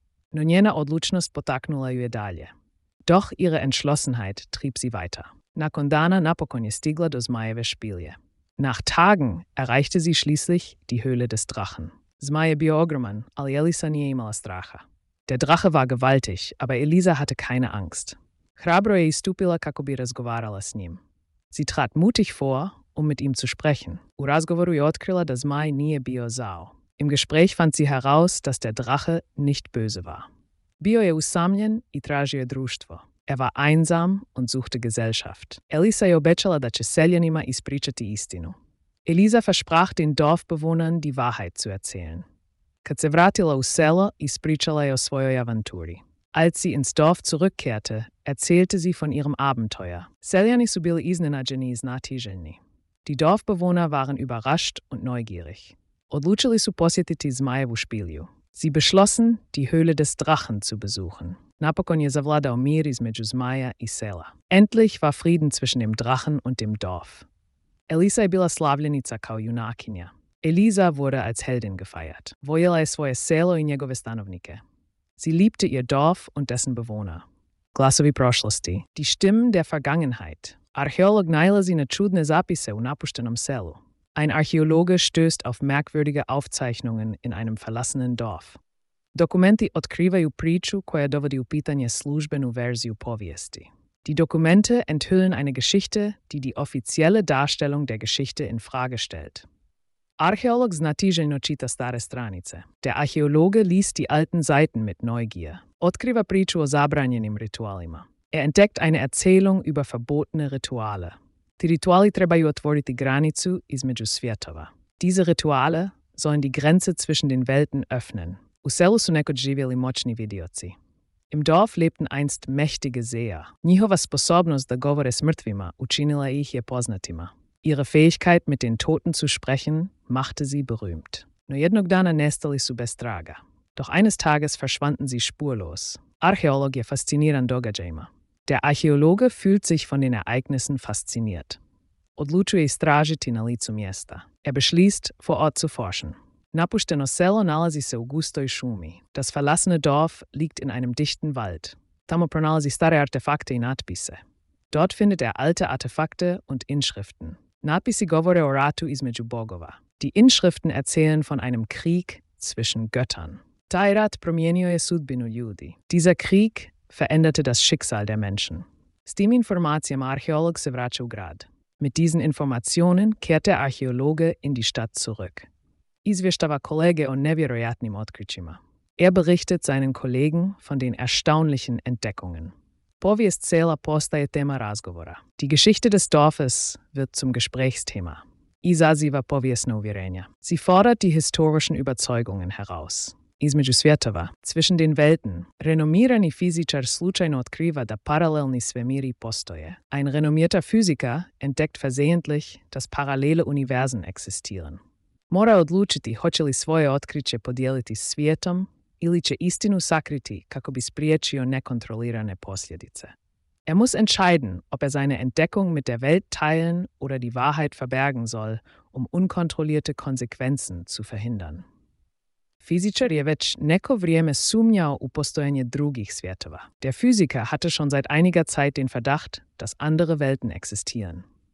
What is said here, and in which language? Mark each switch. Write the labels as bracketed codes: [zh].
[hr] No njena odlučnost potaknula ju je dalje. [de] Doch ihre Entschlossenheit trieb sie weiter. [hr] nakon dana napokon je stigla do zmajeve špilje. [de] Nach Tagen erreichte sie schließlich die Höhle des Drachen. [hr] Zmaje bio ogroman, ali Elisa nije imala straha. [de] Der Drache war gewaltig, aber Elisa hatte keine Angst. [hr] Hrabro je istupila kako bi razgovarala s njim. [de] Sie trat mutig vor, um mit ihm zu sprechen. [hr] U razgovoru je otkrila da zmaj nije bio zao. [de] Im Gespräch fand sie heraus, dass der Drache nicht böse war. [hr] Bio je usamljen i tražio društvo. [de] Er war einsam und suchte Gesellschaft. [hr] Elisa je obećala da će seljanima ispričati istinu. [de] Elisa versprach den Dorfbewohnern, die Wahrheit zu erzählen. [hr] Kad se vratila u selo, ispričala je o svojoj avanturi. [de] Als sie ins Dorf zurückkehrte, erzählte sie von ihrem Abenteuer. [hr] Seljani su bili iznenađeni i znatiželjni. [de] Die Dorfbewohner waren überrascht und neugierig. [hr] Odlučili su posjetiti zmajevu špilju. [de] Sie beschlossen, die Höhle des Drachen zu besuchen. [hr] Napokon je zavladao mir između zmaja i sela. [de] Endlich war Frieden zwischen dem Drachen und dem Dorf. [hr] Elisa je bila slavljenica kao junakinja. [de] Elisa wurde als Heldin gefeiert. [hr] Vojela je svoje selo i njegove stanovnike. [de] Sie liebte ihr Dorf und dessen Bewohner. [hr] Glasovi prošlosti. [de] Die Stimmen der Vergangenheit. [hr] Archäolog nalazi na čudne zapise u napuštenom selu. [de] Ein Archäologe stößt auf merkwürdige Aufzeichnungen in einem verlassenen Dorf. [hr] Dokumenti otkrivaju priču koja dovodi u pitanje službenu verziju povijesti. [de] Die Dokumente enthüllen eine Geschichte, die die offizielle Darstellung der Geschichte in Frage stellt. [hr] Archäolog znatiželjno čita stare stranice. [de] Der Archäologe liest die alten Seiten mit Neugier. [hr] Otkriva priču o zabranjenim ritualima. [de] Er entdeckt eine Erzählung über verbotene Rituale. [hr] Ti rituali trebaju otvoriti granicu između svjetova. [de] Diese Rituale sollen die Grenze zwischen den Welten öffnen. [hr] U selu su nekoć živjeli moćni vidioci. [de] Im Dorf lebten einst mächtige Seher. [hr] Njihova sposobnost da govore s mrtvima učinila ih je poznatima. [de] Ihre Fähigkeit, mit den Toten zu sprechen, machte sie berühmt. [hr] No jednog dana nestali su bez traga. [de] Doch eines Tages verschwanden sie spurlos. [hr] Archäolog je fasciniran događajima. [de] Der Archäologe fühlt sich von den Ereignissen fasziniert. [hr] Odlučuje istražiti na licu mjesta. [de] Er beschließt, vor Ort zu forschen. [hr] Napušteno selo nalazi se u gustoj šumi. [de] Das verlassene Dorf liegt in einem dichten Wald. [hr] Tamo pronalazi stare artefakte i natpise. [de] Dort findet er alte Artefakte und Inschriften. [hr] Natpisi govore o ratu između bogova. [de] Die Inschriften erzählen von einem Krieg zwischen Göttern. [hr] Taj rat promijenio je sudbinu ljudi. [de] Dieser Krieg veränderte das Schicksal der Menschen. [hr] S tim informacijama archeolog se vraća u grad. [de] Mit diesen Informationen kehrt der Archäologe in die Stadt zurück. [hr] Izvještava kolege o nevjerojatnim otkrićima. [de] Er berichtet seinen Kollegen von den erstaunlichen Entdeckungen. [hr] Povijest sela postaje tema razgovora. [de] Die Geschichte des Dorfes wird zum Gesprächsthema. [hr] Izaziva povijesna uvjerenja. [de] Sie fordert die historischen Überzeugungen heraus. [hr] Između svjetova, [de] zwischen den Welten, [hr] renomirani fizičar slučajno otkriva da paralelni svemiri postoje. [de] Ein renomierter Physiker entdeckt versehentlich, dass parallele Universen existieren. [hr] Mora odlučiti hoće li svoje otkriće podijeliti s svijetom ili će istinu sakriti kako bi spriječio nekontrolirane posljedice. [de] Er muss entscheiden, ob er seine Entdeckung mit der Welt teilen oder die Wahrheit verbergen soll, um unkontrollierte Konsequenzen zu verhindern. [hr] Fizičar je već neko vrijeme sumnjao u postojanje drugih svjetova. [de] Der Physiker hatte schon seit einiger Zeit den Verdacht, dass andere Welten existieren.